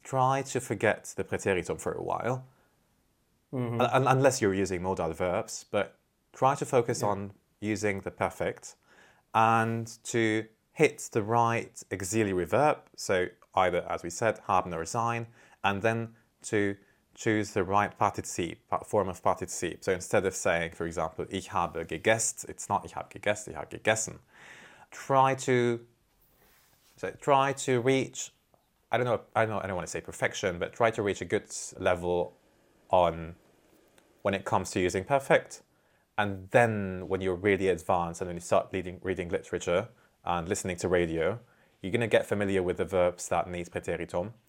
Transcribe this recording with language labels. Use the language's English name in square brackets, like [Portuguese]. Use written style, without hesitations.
[English] Try to forget the preteritum for a while, unless you're using modal verbs. But try to focus on using the perfect, and to hit the right auxiliary verb. So either, as we said, haben or sein, and then to choose the right Partizip, form of Partizip. So instead of saying, for example, [German] ich habe gegessen, [English] it's not ich habe gegessen, ich habe gegessen. Try to reach, I don't want to say perfection, but try to reach a good level on when it comes to using perfect. And then when you're really advanced and when you start reading literature and listening to radio, you're going to get familiar with the verbs that need preteritum.